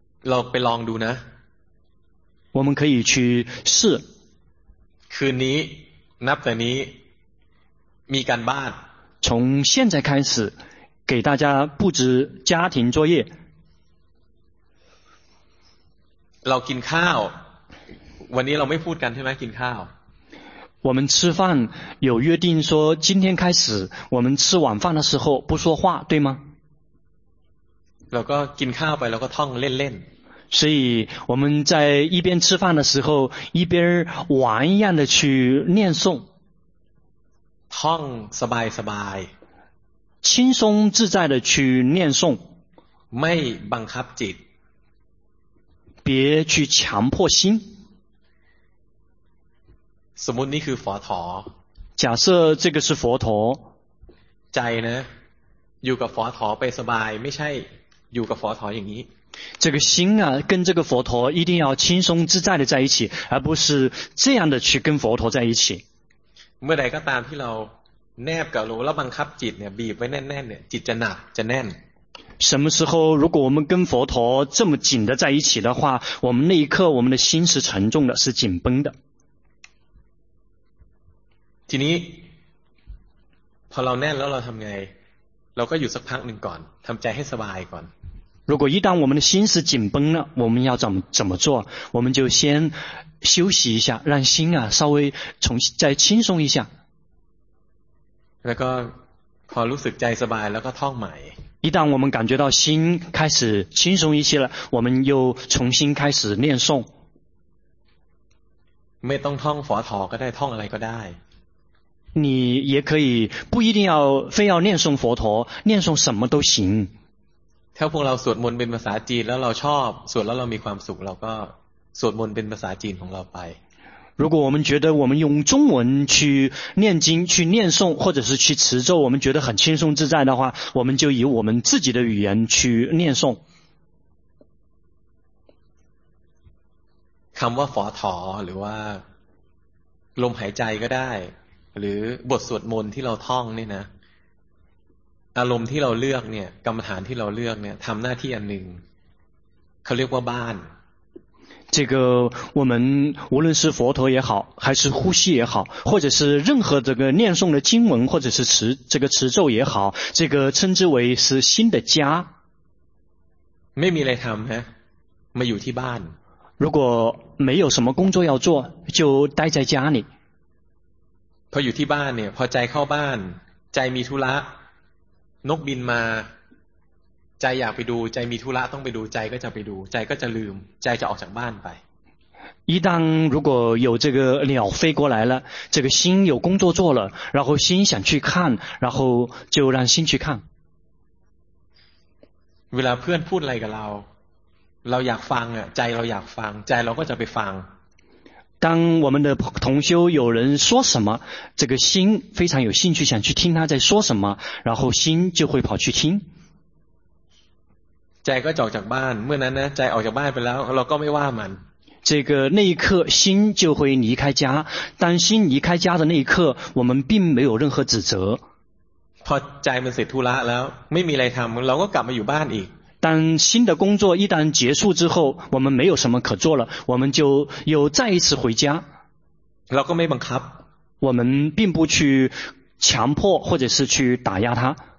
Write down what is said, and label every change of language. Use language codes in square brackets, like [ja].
[th] เราไปลองดูนะ [zh] 我们可以去试 [th] คืนนี้นับแต่นี้มีการบ้าน [zh] 从现在开始给大家布置家庭作业 [th] เรากินข้าววันนี้เราไม่พูดกันใช่ไหมกินข้าว [zh] 我们吃饭有约定说今天开始我们吃晚饭的时候不说话对吗 [th] แล้วก็กินข้าวไปแล้วก็ท่องเล่น [zh] ๆ所以我们在一边吃饭的时候一边玩一样的去念诵 [th] ท่องสบายสบาย [zh] 轻松自在的去念诵 [th] ไม่บังคับจิต [zh] 别去强迫心 [th] สมมตินี่คือ佛陀 [zh] 假设这个是佛陀 [th] ใจนะอยู่กับ佛陀ไปสบายไม่ใช่อยู่กับ佛陀อย่างนี้ [zh] 这个心啊跟这个佛陀一定要轻松自在的在一起而不是这样的去跟佛陀在一起 [th] เมื่อใดก็ตามที่เราแนบกับรู้แล้วบังคับจิตเนี่ยบีบไว้แน่นๆเนี่ยจิตจะหนักจะแน่น [zh] 什么时候如果我们跟佛陀这么紧的在一起的话我们那一刻我们的心是沉重的是紧绷的 [th] ทีนี้พอเราแน่นแล้วเราทำไงเราก็อยู่สักพักหนึ่งก่อนทำใจให้สบายก่อน [zh] 如果一旦我们的心是紧绷了我们要怎么做我们就先休息一下让心啊稍微重新再轻松一下 [th] แล้วก็พอรู้สึกใจสบายแล้วก็ท่องใหม่ [zh] 一旦我们感觉到心开始轻松一些了，我们又重新开始念诵。 [th] ไม่ต้องท่องฝอทอก็ได้ท่องอะไรก็ได้ [zh] 你也可以不一定要非要念诵佛陀，念诵什么都行。 [th] ถ้าพวกเราสวดมนต์เป็นภาษาจีนแล้วเราชอบสวดแล้วเรามีความสุขเราก็สวดมนต์เป็นภาษาจีนของเราไป [zh] 如果我们觉得我们用中文去念经去念诵或者是去持咒我们觉得很轻松自在的话我们就以我们自己的语言去念诵 [th] คำว่าฝอทอหรือว่าลมหายใจก็ได้หรือบทสวดมนต์ที่เราท่องเนี่ยนะอารมณ์ที่เราเลือกเนี่ยกรรมฐานที่เราเลือกเนี่ยทำหน้าที่อันหนึ่งเขาเรียกว่าบ้าน [zh] 这个我们无论是佛陀也好还是呼吸也好或者是任何这个念诵的经文或者是持这个持咒也好这个称之为是新的家 [th] ไม่มีอะไรทำฮะมาอยู่ที่บ้าน [zh] 如果没有什么工作要做就待在家里 [th] พออยู่ที่บ้านเนี่ยพอใจเข้าบ้านใจมีธุระนกบินมาใจอยากไปดูใจมีธุระต้องไปดูใจก็จะไปดูใจก็จะลืมใจจะออกจากบ้านไป [zh] 一旦如果有这个鸟飞过来了这个心有工作做了然后心想去看然后就让心去看 [th] เวลาเพื่อนพูดอะไรกับเราอยากฟังอ่ะใจเราอยากฟังใจเราก็จะไปฟัง [zh] 当我们的同修有人说什么这个心非常有兴趣想去听他在说什么然后心就会跑去听 [th] ใจก็ออกจากบ้านเมื่อนั้นนะใจออกจากบ้านไปแล้วเราก็ไม่ว่ามัน [zh] 这个那一刻心就会离开家当心离开家的那一刻我们并没有任何指责 [th] พอใจมันเสร็จธุระแล้วไม่มีอะไรทำเราก็กลับมาอยู่บ้านอีก [zh] 但新的工作一旦结束之后我们没有什么可做了我们就又再一次回家我们并不去强迫或者是去打压他